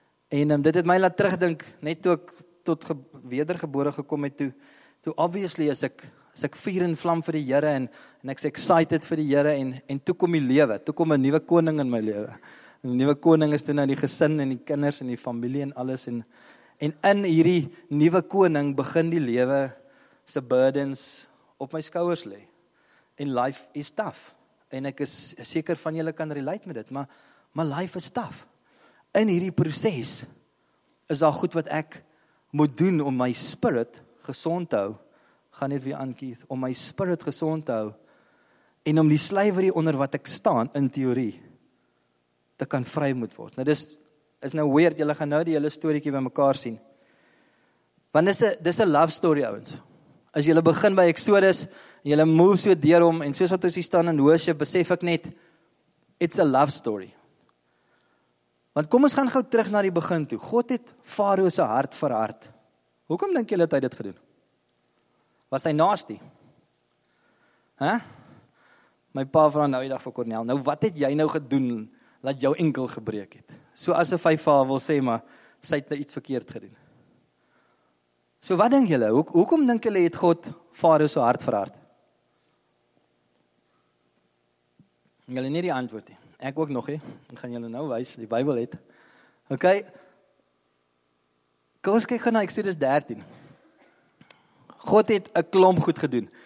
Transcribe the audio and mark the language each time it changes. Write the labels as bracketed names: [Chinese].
[Afrikaans] En dit het my laat terugdink, net toe ek tot wedergebore gekom het, toe obviously is ek vuur en vlam vir die Here en ek's excited vir die Here en toe kom die lewe, toe kom 'n nuwe koning in my lewe. 'N Nuwe koning is toe nou die gesin en die kinders en die familie en alles en in hierdie nuwe koning begin die lewe se burdens op my skouers lê. [English] En life is tough. [Afrikaans] En ek is seker van julle kan relate met dit, maar [English] life is tough. [Afrikaans] In hierdie proses is daar goed wat ek moet doen om my spirit gesond te hou, gaan net weer aan Keith, om my spirit gesond te hou, en om die slavery onder wat ek staan, in teorie, te kan vry moet word. Nou, dis is nou weird, julle gaan nou die hele storiekie by mekaar sien. Want dis [English] a love story, [Afrikaans] ouens. As julle begin by Exodus, julle move so deur hom, en soos wat ons hier staan in worship, besef ek net, [English] it's a love story. [Afrikaans] Want kom ons gaan gou terug na die begin toe. God het Farao se hart verhard. Hoekom dink julle het hy dit gedoen? Was hy nasty? Hè? My pa vra nou die dag vir Cornel, nou wat het jy nou gedoen dat jou enkel gebreek het? So asof hy vir haar wil sê, maar sy het nou iets verkeerd gedoen. So wat denk julle, hoekom denk julle het God Farao so hard verhard? En julle nie die antwoord nie. Ek ook nog nie. Ek gaan julle nou wys, die Bybel het. Ok. Kom ons kyk na Exodus 13. God het 'n klomp goed gedoen.